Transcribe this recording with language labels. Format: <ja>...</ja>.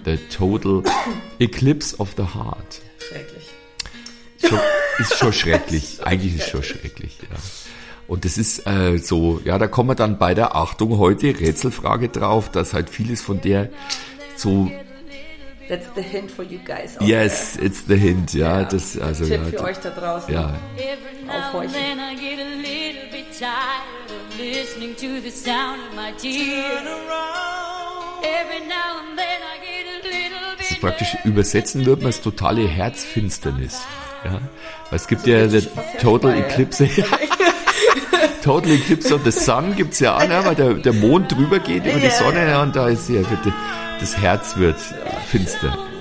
<en>The Total Eclipse of the Heart.</en> <de>Schrecklich. Ist schon schrecklich. Eigentlich ist es schon schrecklich, ja. Und das ist so, ja, da kommen wir dann bei der Achtung heute Rätselfrage drauf, dass halt vieles von der so...</de> <en>That's the hint for you guys. Yes, there. It's the hint, ja. Yeah.</en> <de>Das, also, Tipp ja, für euch da draußen. Ja.</de> <en>Every now and then I get a little bit tired of listening to the sound of my tears. Turn around. Every now and then I get a little bit tired.</en> <de>Praktisch übersetzen würde man es totale Herzfinsternis. Ja. Es gibt also, ja the total eclipse. Total Eclipse of the Sun gibt es ja auch, ne, weil der Mond drüber geht über die Sonne ja, und da ist ja bitte... Das Herz wird finster.</de>